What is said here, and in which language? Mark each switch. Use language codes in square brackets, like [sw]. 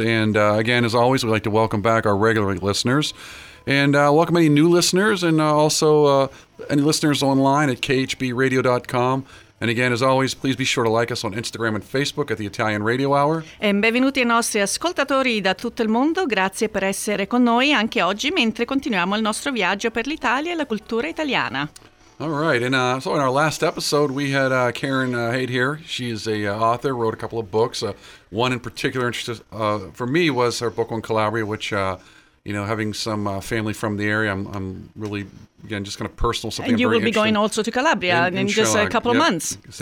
[en] And again, as always, we'd like to welcome back our regular listeners. And welcome any new listeners and also any listeners online at khbradio.com. And again, as always, please be sure to like us on Instagram and Facebook at the Italian Radio Hour. [it] E benvenuti ai nostri ascoltatori da tutto il mondo. Grazie per essere con noi anche oggi mentre continuiamo il nostro viaggio per l'Italia e la cultura italiana. [en] All right. And so in our last episode, we had Karen Haidt here. She is a author, wrote a couple of books. One in particular interest for me was her book on Calabria, which, you know, having some family from the area, I'm really... Again, just kind of personal something. And you will be going also to Calabria in just a couple of months.